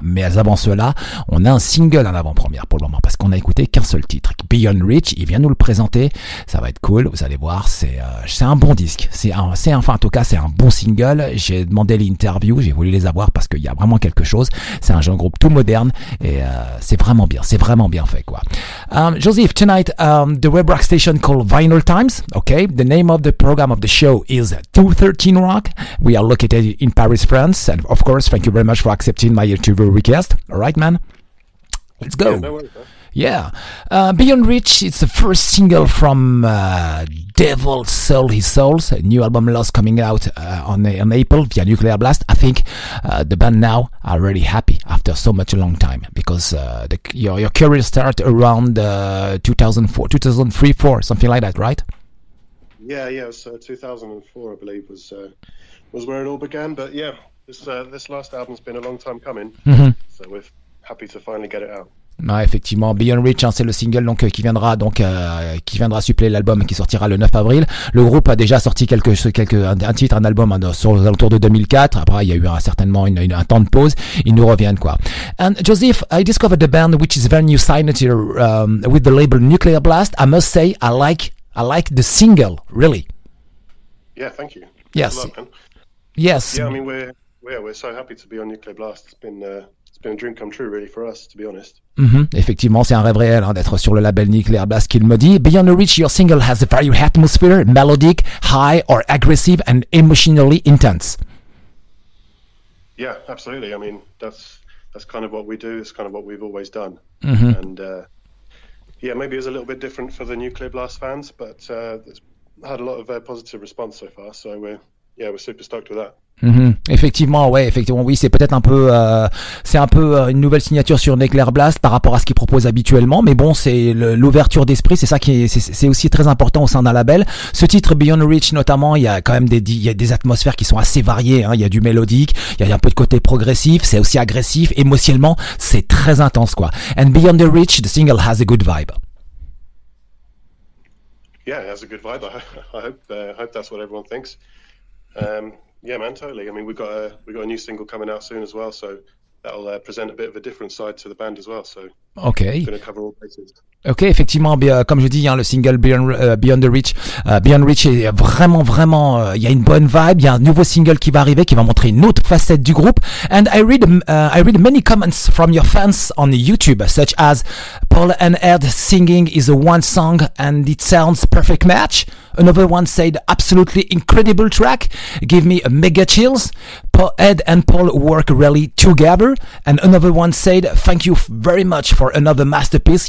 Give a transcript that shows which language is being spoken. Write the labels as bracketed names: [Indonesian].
[French] Mais avant cela, on a un single en avant-première pour le moment, parce qu'on a écouté qu'un seul titre, Beyond Reach. Il vient nous le présenter, ça va être cool, vous allez voir, c'est un bon disque, c'est un bon single. J'ai demandé l'interview, j'ai voulu les avoir parce qu'il y a vraiment quelque chose. C'est un jeune groupe tout moderne et c'est vraiment bien fait quoi. [English] Joseph, tonight the web rock station called Vinyl Times, okay, the name of the program of the show is 213 Rock. We are located in Paris, France, and of course, thank you very much for accepting my interview request. All right, man, let's go. Yeah, Beyond Reach, it's the first single from Devil Sold His Souls, a new album Lost coming out on April via Nuclear Blast. I think the band now are really happy after so much a long time, because your career started around 2004, 2003, 4, something like that, right? Yeah, so 2004, I believe, was where it all began. But yeah, this last album's been a long time coming, so we're happy to finally get it out. [French] Ah, effectivement, Beyond Reach, hein, c'est le single donc qui viendra suppléer l'album qui sortira le 9 avril. Le groupe a déjà sorti un album sur les alentours de 2004. Après, il y a eu certainement un temps de pause. Ils nous reviennent quoi. [English] And Joseph, I discovered the band which is very new signed here with the label Nuclear Blast. I must say, I like the single, really. Yeah, thank you. Yes. Love, yes. Yeah, I mean we're so happy to be on Nuclear Blast. It's been a dream come true, really, for us, to be honest. [French] Effectivement, c'est un rêve réel hein, d'être sur le label Nuclear Blast, qu'il me dit. [English] Beyond the Reach, your single has a very atmosphere, melodic, high or aggressive, and emotionally intense. Yeah, absolutely. I mean, that's kind of what we do. It's kind of what we've always done. And maybe it's a little bit different for the Nuclear Blast fans, but it's had a lot of positive response so far. So we're super stoked with that. [French] Effectivement, c'est peut-être un peu une nouvelle signature sur Nuclear Blast par rapport à ce qu'ils proposent habituellement, mais bon, c'est l'ouverture d'esprit, c'est ça qui c'est aussi très important au sein d'un label. Ce titre Beyond Reach notamment, il y a quand même des atmosphères qui sont assez variées hein, il y a du mélodique, il y a un peu de côté progressif, c'est aussi agressif, émotionnellement, c'est très intense quoi. [English] And Beyond the Reach, the single has a good vibe. Yeah, it has a good vibe. I hope that's what everyone thinks. Yeah, man, totally. I mean, we've got a new single coming out soon as well, so that'll present a bit of a different side to the band as well. So, okay, going to cover all bases. [French] Okay, effectivement, comme je dis, hein, le single Beyond Reach est vraiment, il y a une bonne vibe. Il y a un nouveau single qui va arriver, qui va montrer une autre facette du groupe. [English] And I read many comments from your fans on YouTube, such as Paul and Ed singing is a one song and it sounds perfect match. Another one said absolutely incredible track, give me a mega chills. Ed and Paul work really together. And another one said thank you very much for another masterpiece.